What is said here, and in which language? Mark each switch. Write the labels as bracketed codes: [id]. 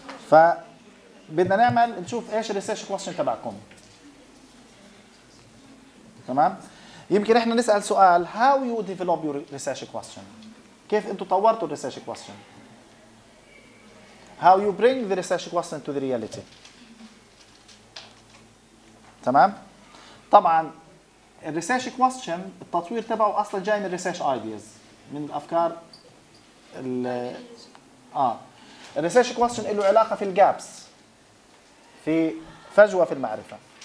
[ar] فبدنا نعمل نشوف ايش الريسيرش كويستشن تبعكم. تمام. يمكن احنا نسال سؤال [en] how you develop your research question، [ar] كيف انتم طورتوا الريسيرش كويستشن، [en] how you bring the research question to the reality. [ar] تمام. طبعا الريسيرش كويستشن التطوير تبعه اصلا جاي من الريسيرش ايدياز، من الافكار ال الريسيرش كويستشن له علاقه في الجابس، في فجوه في المعرفه.